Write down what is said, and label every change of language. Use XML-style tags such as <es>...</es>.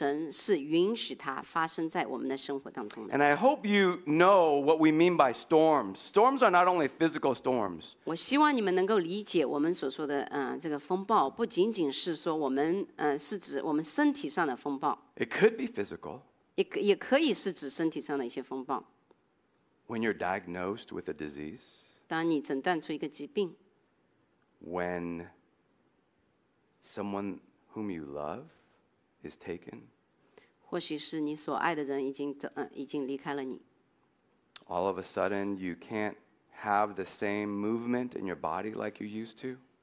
<zh>所以有些你们应当理解，有些风暴神是允许它发生在我们的生活当中的。</zh> <en>And I hope you know what we mean by storms. Storms are not only physical storms.</en> <zh>我希望你们能够理解我们所说的这个风暴，不仅仅是说我们是指我们身体上的风暴。</zh> <en>It could be physical.</en> <zh>也可以是指身体上的一些风暴。</zh> <en>When you're diagnosed with a disease.</en> <zh>当你诊断出一个疾病,</zh> <en>when someone whom you love is taken,</en> <zh>或许是你所爱的人已经离开了你,</zh> <en>all of a sudden you can't have the same movement in your body like you used to,</en>